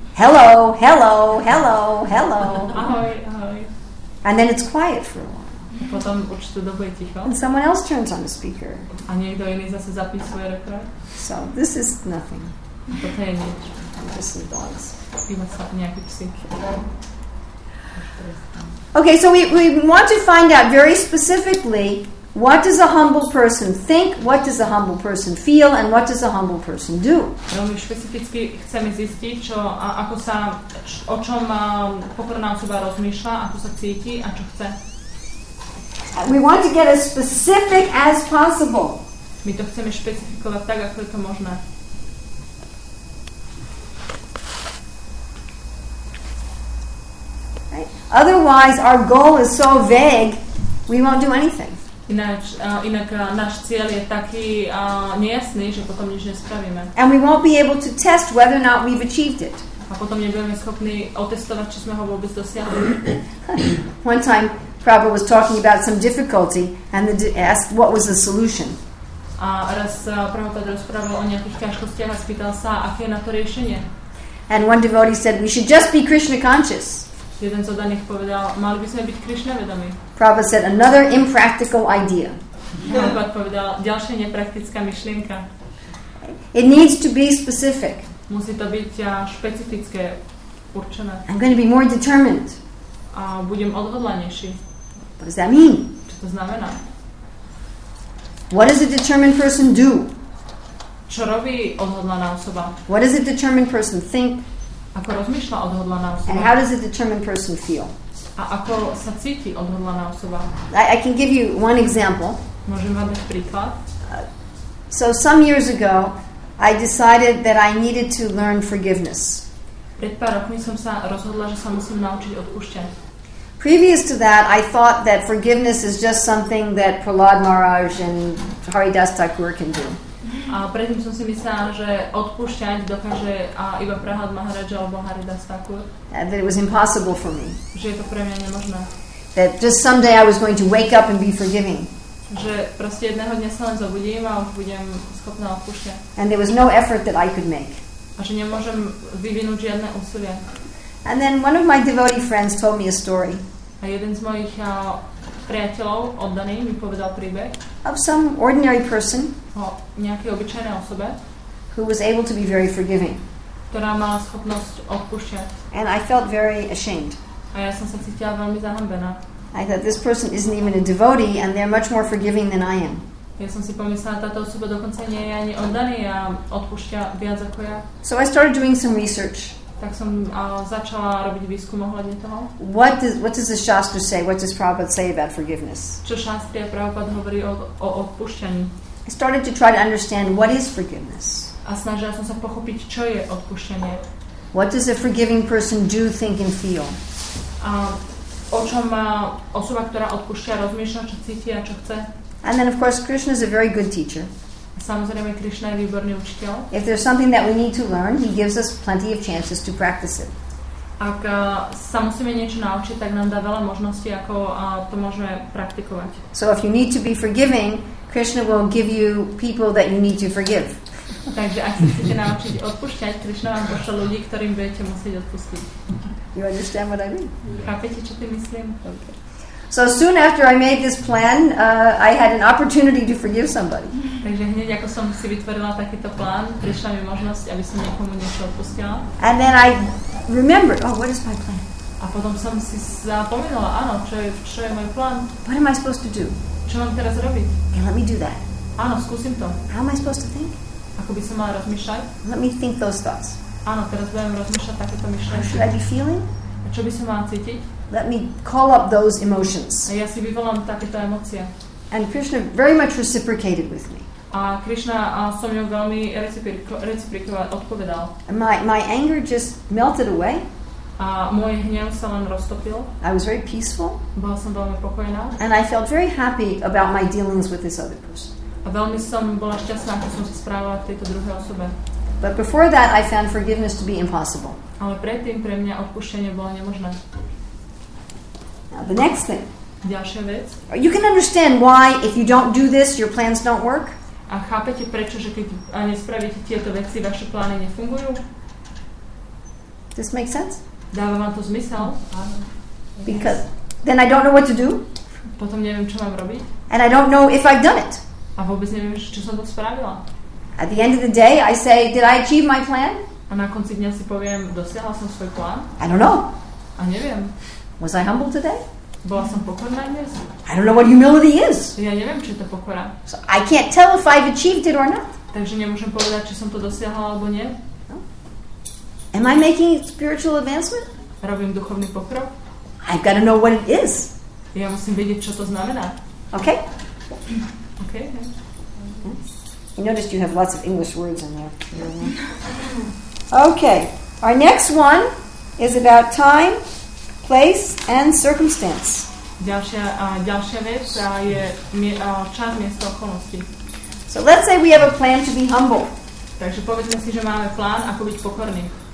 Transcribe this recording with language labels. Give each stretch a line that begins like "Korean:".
English: Hello, hello, hello, hello.
Slovak: Ahoj, ahoj.
English: And then it's quiet for a while.
Slovak: Potom určitú dobu je ticho.
English: And someone else turns on the speaker.
Slovak: A niekto iný zase zapí svoje refrak.
English: So this is nothing.
Slovak: Toto je nič.
English: Just some dogs.
Slovak: Iba sa nejaký psík.
English: Okay, so we want to find out very specifically what does a humble person think, what does a humble person feel, and what does a humble person do.
Slovak: Veľmi špecificky chceme zistiť, čo, ako sa, o čom pokorná osoba rozmýšľa, ako sa cíti a čo chce.
English: We want to get as specific as possible.
Slovak: My to chceme špecifikovať tak, ako je to možné.
English: Otherwise, our goal is so vague, we won't do anything.
Slovak: Inak náš cieľ je taký nejasný, že potom nič nespravíme.
English: And we won't be able to test whether or not we've achieved it.
Slovak: A potom nebudeme schopní otestovať, či sme ho vôbec dosiahli.
English: One time, Prabhupada was talking about some difficulty and asked what was the solution.
Slovak: A raz Prabhupada rozprával o nejakých ťažkostiach a spýtal sa, aké je na to riešenie.
English: And one devotee said, we should just be Krishna conscious.
Slovak: Jeden z oddaných povedal, mali by sme byť Krishna vedomí.
English: Prabhupada said, another impractical idea.
Slovak: Prabhupada povedal, ďalšia nepraktická myšlienka.
English: It needs to be specific.
Slovak: Musí to byť špecifické, určené.
English: I'm going to be more determined.
Slovak: A budem odhodlanejší.
English: What does that mean?
Slovak: Čo to znamená?
English: What does a determined person do?
Slovak: Čo robí odhodlaná osoba?
English: What does a determined person think?
Slovak: Ako rozmýšľa odhodlaná osoba?
English: And how does a determined person feel?
Slovak: A ako sa cíti odhodlaná osoba?
English: I can give you one example.
Slovak: Môžem vám dať príklad.
English: So some years ago, I decided that I needed to learn forgiveness.
Slovak: Pred pár rokmi som sa rozhodla, že sa musím naučiť odpúšťať.
English: Previous to that, I thought that forgiveness is just something that Prahlad Maharaj and Haridas Thakur can do.
Slovak: A predtým som si myslela, že odpúšťať dokáže iba Prahlad Maharaj alebo Haridas Thakur.
English: That it was impossible for me.
Slovak: Že je to pre mňa nemožné.
English: That just someday I was going to wake up and be forgiving.
Slovak: Že proste jedného dňa sa len zobudím a budem schopná odpúšťať.
English: And there was no effort that I could make.
Slovak: A že nemôžem vyvinúť žiadne úsilie.
English: And then one of my devotee friends told me a story.
Slovak: A jeden z mojich priateľov oddaný mi povedal príbeh.
English: Of some ordinary person.
Slovak: O nejakej obyčajnej osobe.
English: Who was able to be very forgiving.
Slovak: Ktorá mala schopnosť odpúšťať.
English: And I felt very ashamed.
Slovak: A ja som sa cítila veľmi zahambená.
English: I thought this person isn't even a devotee and they're much more forgiving than I am.
Slovak: Ja som si pomyslela, táto osoba dokonca nie je ani oddaný a odpúšťa viac ako ja.
English: So I started doing some research.
Slovak: tak som začala robiť výskum ohľadne toho.
English: What does the Shastra say? What does Prabhupada say about forgiveness?
Slovak: Čo Shastra Prabhupada hovorí o odpúšťaní?
English: I started to try to understand what is forgiveness.
Slovak: A snažila som sa pochopiť, čo je odpúšťanie.
English: What does a forgiving person do, think and feel?
Slovak: A o čom má osoba, ktorá odpúšťa, rozmýšľa, čo cíti a čo chce?
English: And then of course Krishna is a very good teacher.
Slovak: Samozrejme, Krishna je výborný učiteľ.
English: If there's something that we need to learn, he gives us plenty of chances to practice it.
Slovak: Ak sa musíme niečo naučiť, tak nám dá veľa možností, ako to môžeme praktikovať.
English: So if you need to be forgiving, Krishna will give you people that you need to forgive.
Slovak: Takže ak sa chcete naučiť odpúšťať, Krishna vám pošle ľudí, ktorým budete musieť odpustiť.
English: You understand what I mean?
Slovak: Chápete, čo ty myslím?
English: Okay. So soon after I made this plan, I had an opportunity to forgive somebody.
Slovak: Takže hneď ako som si vytvorila takýto plán, prišla mi možnosť, aby som niekomu niečo odpustila.
English: And then I remembered, oh, what is my plan?
Slovak: A potom som si zapomenula, áno, čo je môj plán?
English: What am I supposed to do?
Slovak: Čo mám teraz robiť?
English: Okay, let me do that.
Slovak: Áno, skúsim to.
English: How am I supposed to think?
Slovak: Ako by som mala rozmýšľať?
English: Let me think those thoughts.
Slovak: Áno, teraz budem rozmýšľať takéto myšlenky.
English: How should I be feeling?
Slovak: A čo by som mala cítiť?
English: Let me call up those emotions.
Slovak: A ja si vyvolám takéto emócie.
English: And Krishna very much reciprocated with me.
Slovak: A Krishna so mňou veľmi reciprikoval, odpovedal.
English: And my anger just melted away.
Slovak: A môj hnev sa len roztopil.
English: I was very peaceful.
Slovak: Bola som veľmi pokojná.
English: And I felt very happy about my dealings with this other person.
Slovak: A veľmi som bola šťastná, ako som sa správala k tejto druhej osobe.
English: But before that I found forgiveness to be impossible.
Slovak: Ale predtým pre mňa odpuštenie bolo nemožné.
English: Now the next thing.
Slovak: Ďalšia vec.
English: You can understand why if you don't do this your plans don't work.
Slovak: A chápete prečo, že keď nespravíte tieto veci, vaše plány nefungujú?
English: This makes sense?
Slovak: Dáva vám to zmysel?
English: Because then I don't know what to do.
Slovak: Potom neviem, čo mám robiť.
English: And I don't know if I've done it.
Slovak: A vôbec neviem, čo som to spravila.
English: At the end of the day I say, did I achieve my plan?
Slovak: A na konci dňa si poviem, dosiahla som svoj plán?
English: I don't know.
Slovak: A neviem.
English: Was I humble today?
Slovak: Bola som pokorná dnes?
English: I don't know what humility is.
Slovak: Ja neviem, čo je to pokora.
English: So I can't tell if I've achieved it or not.
Slovak: Takže nemôžem povedať, či som to dosiahla alebo nie.
English: No. Am I making spiritual advancement?
Slovak: Robím duchovný pokrok?
English: I've got to know what it is.
Slovak: Ja musím vedieť, čo to znamená.
English: Okay. Okay. Nice. You noticed you have lots of English words in there. Okay. Our next one is about time, place and circumstance.
Slovak: Ďalšia vec je čas, miesto, okolnosti.
English: So let's say we have a plan to be humble.
Slovak: Takže povedzme si, že máme plán, ako byť pokorný.